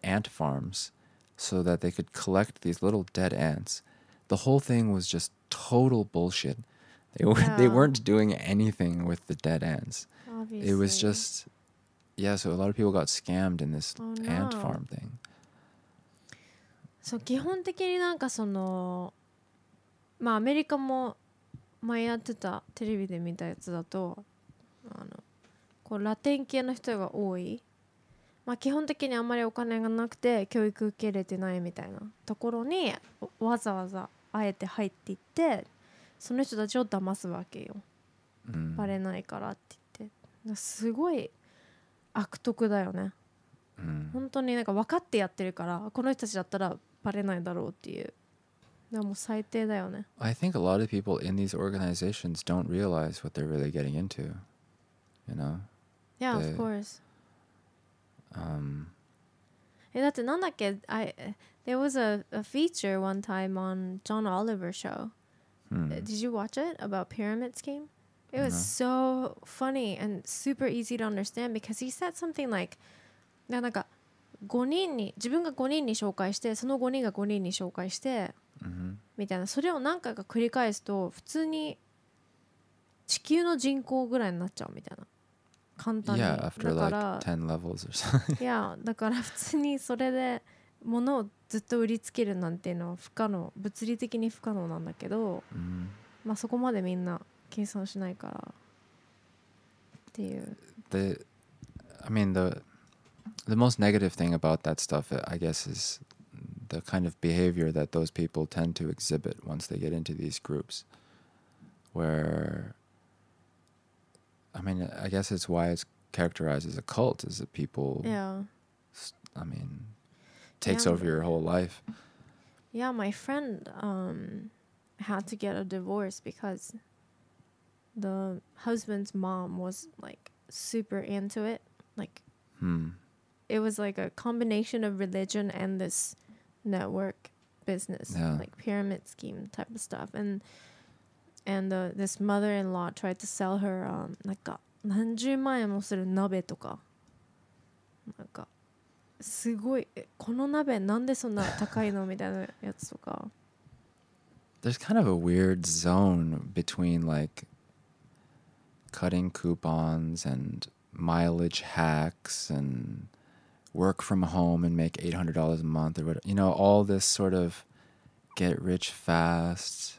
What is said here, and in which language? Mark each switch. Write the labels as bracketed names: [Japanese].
[English] ant farms so that they could collect these little dead ants. The whole thing was just total bullshit. They weren't doing anything with the dead ants. Obviously. It was just, so a lot of people got scammed in this ant farm thing. [Japanese] So, 基本的になんかその、まあ、アメリカも前やってたテレビで見たやつだと、あの、こうラテン系の人が多い、まあ、基本的にあんまりお金がなくて教育受け入れてないみたいなところにわざわざあえて入っていってその人たちを騙すわけよ、うん、バレないからって言ってだすごい悪徳だよね、うん、本当になんか分かってやってるからこの人たちだったらバレないだろうっていうでも最低だよね [English] I think a lot of people in these organizations don't realize what they're really getting intoYou know? Yeah, of course. [Japanese] え、だってなんだっけ? [English] There was a feature one time on John Oliver's show. Hmm. Did you watch it? About pyramid scheme? It was so funny and super easy to understand because he said something like, [Japanese] なんか5人に、自分が5人に紹介して、その5人が5人に紹介して、みたいな。それを何回か繰り返すと、普通に地球の人口ぐらいになっちゃうみたいな簡単に [English] Yeah, after like 10 levels or something [Japanese] Yeah, だから普通にそれで物をずっと売りつけるなんていうのは不可能、物理的に不可能なんだけど、うん、まあそこまでみんな計算しないからっていう。 [English] The, I mean the most negative thing about that stuff, I guess, is the kind of behavior that those people tend to exhibit once they get into these groups, where, I mean, I guess it's why it's characterized as a cult, is that people, yeah, I mean. Takes over your whole life. Yeah, my friend had to get a divorce because the husband's mom was like super into it. Like, it was like a combination of religion and this network business, yeah. like pyramid scheme type of stuff. And this mother-in-law tried to sell her [Japanese] なんか何十万円もする鍋とか、なんか。すごい、この鍋なんでそんな高いのみたいなやつとか。 [English] There's kind of a weird zone between like cutting coupons and mileage hacks and work from home and make $800 a month or whatever. You know, all this sort of get rich fast.